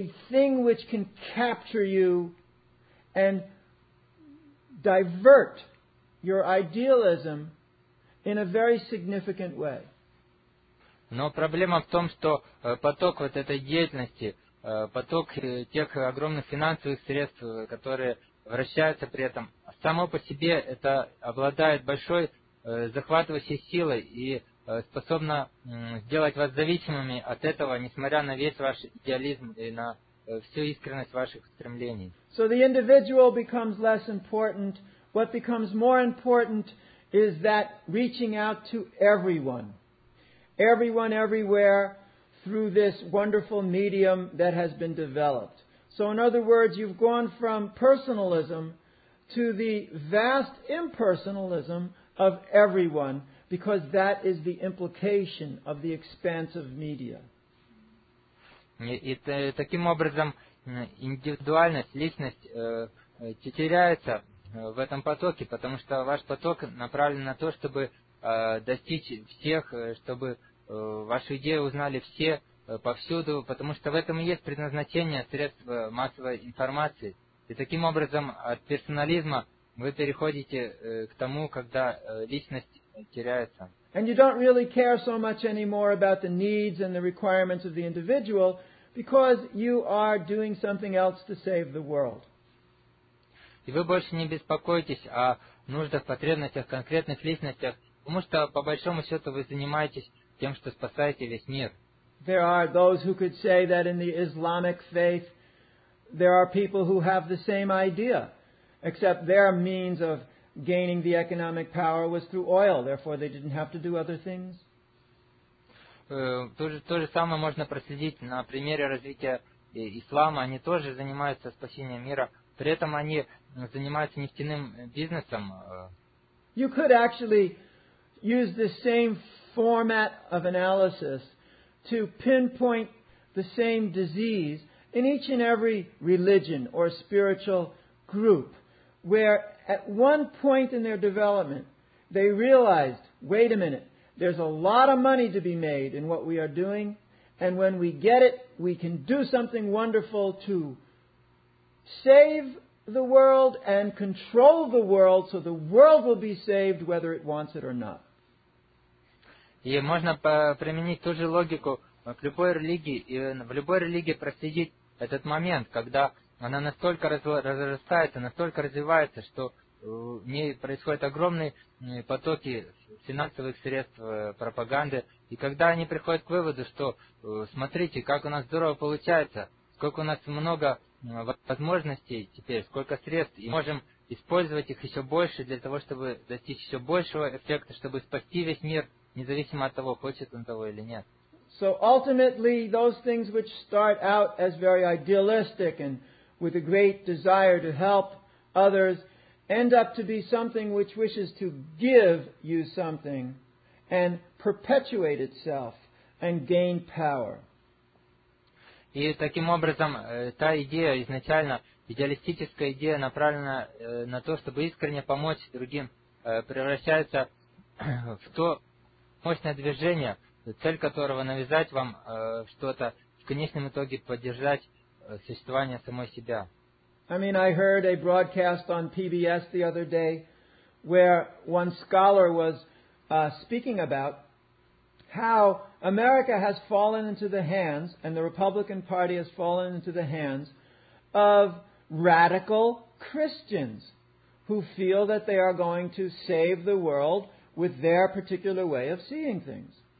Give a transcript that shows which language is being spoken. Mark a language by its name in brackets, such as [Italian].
[English] thing which can capture you and divert your idealism in a very significant way. [Russian] Но проблема в том, что поток вот этой деятельности, поток тех огромных финансовых средств, которые вращаются при этом, само по себе это обладает большой захватывающей силой и способно сделать вас зависимыми от этого, несмотря на весь ваш идеализм и на всю искренность ваших стремлений. [English] So the individual becomes less important. What becomes more important is that reaching out to everyone. Everyone, everywhere, through this wonderful medium that has been developed. So in other words, you've gone from personalism to the vast impersonalism of everyone, because that is the implication of the expansive media. [Russian] И таким образом индивидуальность, личность теряется в этом потоке, потому что ваш поток направлен на то, чтобы достичь всех, чтобы вашу идею узнали все, повсюду, потому что в этом и есть предназначение средств массовой информации. И таким образом от персонализма вы переходите к тому, когда личность теряется. [English] And you don't really care so much anymore about the needs and the requirements of the individual, because you are doing something else to save the world. [Russian] И вы больше не беспокоитесь о нуждах, потребностях, конкретных личностях, потому что по большому счету вы занимаетесь тем, что спасаете весь мир. [English] There are those who could say that in the Islamic faith there are people who have the same idea, except their means of gaining the economic power was through oil, therefore they didn't have to do other things. [Russian] То же самое можно проследить на примере развития ислама. Они тоже занимаются спасением мира, при этом они занимаются нефтяным бизнесом. [English] You could actually use the same format of analysis to pinpoint the same disease in each and every religion or spiritual group, where at one point in their development they realized, wait a minute, there's a lot of money to be made in what we are doing, and when we get it, we can do something wonderful to save the world and control the world, so the world will be saved whether it wants it or not. [Russian] И можно применить ту же логику к любой религии, и в любой религии проследить этот момент, когда она настолько разрастается, настолько развивается, что в ней происходят огромные потоки финансовых средств, пропаганды, и когда они приходят к выводу, что смотрите, как у нас здорово получается, сколько у нас много возможностей теперь, сколько средств, и можем использовать их еще больше для того, чтобы достичь еще большего эффекта, чтобы спасти весь мир, независимо от того, хочет он того или нет. [English] So ultimately, those things which start out as very idealistic and with a great desire to help others end up to be something which wishes to give you something and perpetuate itself and gain power. [Russian] И таким образом, та идея изначально, идеалистическая идея, направлена на то, чтобы искренне помочь другим, превращается в то мощное движение, цель которого навязать вам что-то, в конечном итоге поддержать существование самой себя. [English] I mean, I heard a broadcast on PBS the other day where one scholar was speaking about how America has fallen into the hands, and the Republican Party has fallen into the hands of radical Christians who feel that they are going to save the world with their particular way of seeing things.